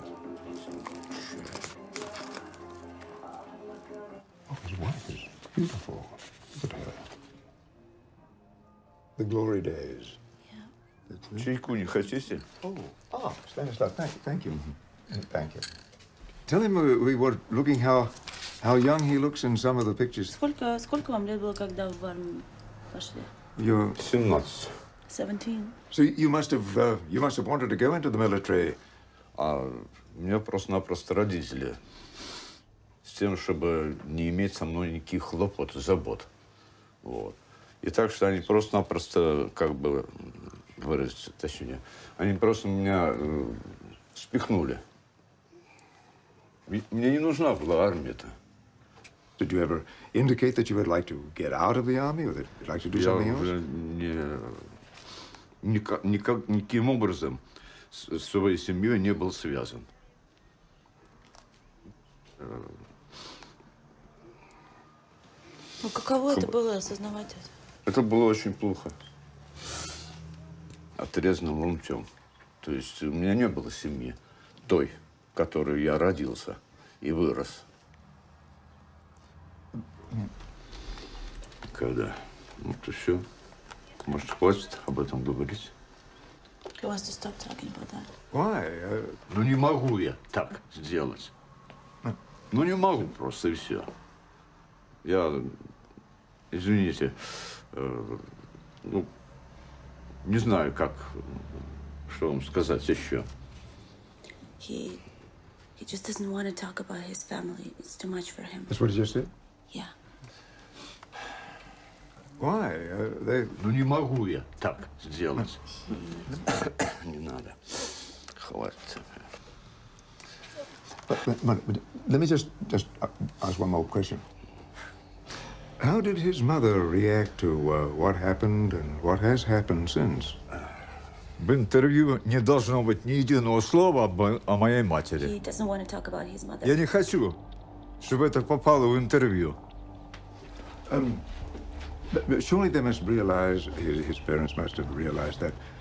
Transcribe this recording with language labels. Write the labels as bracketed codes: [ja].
[en] Oh, his wife is beautiful. Look at her. The glory days. [ru] Yeah. Чайку не хотите? [en] Oh, Stanislav, thank you. Thank you. Tell him we were looking how young he looks in some of the pictures. [ru] Сколько вам лет было, когда вы в армию пошли? [en] You're 17. So you must have wanted to go into the military. [ru] А мне просто-напросто родители с тем, чтобы не иметь со мной никаких хлопот и забот. Вот. И так что они просто-напросто, как бы выразиться, точнее, они просто меня спихнули. Мне не нужна была армия-то. [en] Did you ever indicate that you would like to get out of the army or that you'd like to do [ru] я [en] something [ru] уже [en] else? [ru] Никаким образом с своей семьей не был связан. Ну, каково это было осознавать это? Это было очень плохо. Отрезанным ломтем. То есть у меня не было семьи той, которой я родился и вырос. Когда? Вот и все. Может, хватит об этом говорить? [en] He wants to stop talking about that. Why? [ru] Ну, не могу я так сделать. Ну, не могу просто, и все. Я, извините, ну, не знаю, как, что вам сказать еще. [en] He just doesn't want to talk about his family. It's too much for him. That's what he just said? Yeah. Why? [ru] Ну, не могу я так сделать. Не надо. Хватит. [en] But let me just ask one more question. How did his mother react to what happened and what has happened since? [ru] В интервью не должно быть ни единого слова о моей матери. [en] He doesn't want to talk about his mother. [ru] Я не хочу, чтобы это попало в интервью. [en] Surely they must realize, his parents must have realized that.